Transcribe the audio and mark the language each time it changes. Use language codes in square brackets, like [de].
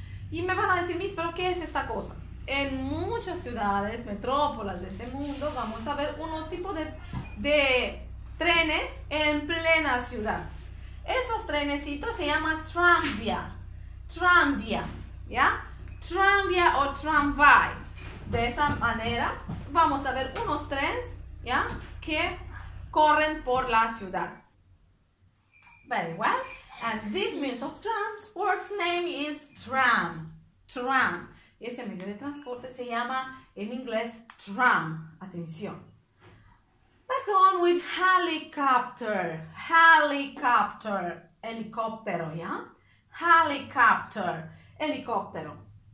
[es] Y me van a decir, mis, ¿pero qué es esta cosa? En muchas ciudades, metrópolas de ese mundo, vamos a ver unos tipos de trenes en plena ciudad. Esos trenecitos se llaman tranvía. Tranvía, ¿ya? Tranvía o tramvai. De esa manera, vamos a ver unos trenes, ¿ya? Que corren por la ciudad. [en] Very well. And this means of transport's name is tram. Tram. [es] Y ese medio de transporte se llama, en inglés, tram. [en] Atención. Let's go on with helicopter. [es] Helicopter. Helicóptero, ¿ya? Helicopter. Helicóptero.